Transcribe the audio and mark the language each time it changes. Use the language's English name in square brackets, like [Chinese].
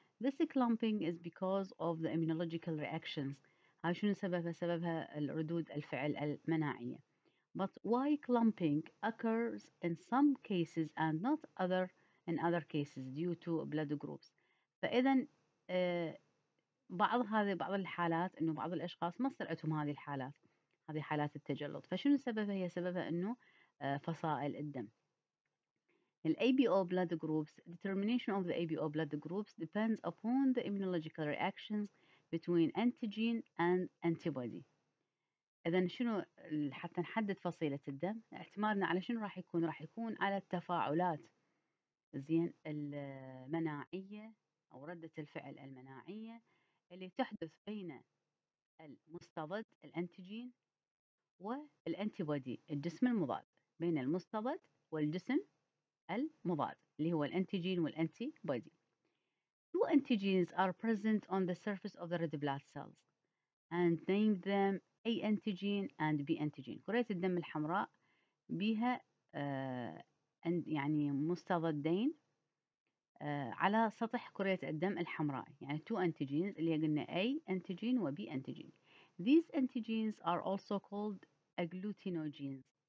[English] This clumping is because of the immunological reactions. [Arabic] هاي شنو سببها؟ سببها الردود الفعل المناعية. [English] But why clumping occurs in some cases and not other in other cases due to blood groups. [Arabic] فإذا بعض الحالات إنه بعض الأشخاص ما صار عندهم هذه الحالات، هذه حالات التجلط. فشنو سببها؟ هي سببها إنه فصائل الدم. [English] The ABO blood groups, determination of the ABO blood groups depends upon the immunological reactions between antigen and antibody. [Arabic] إذا شنو حتى نحدد فصيلة الدم؟ اعتمادنا على شنو راح يكون؟ راح يكون على التفاعلات زين المناعية أو ردة الفعل المناعية اللي تحدث بين المستضد الأنتيجين والأنتيبودي الجسم المضاد، بين المستضد والجسم المضاد اللي هو الأنتيجين والأنتيبودي. [English] Two antigens are present on the surface of the red blood cells and name them A antigen and B antigen. [Arabic] كريات الدم الحمراء بها يعني مستضدين على سطح كرية الدم الحمراء، يعني [English] two antigens [Arabic] اللي قلنا A antigen و B antigen. [English] These antigens are also called agglutinogens.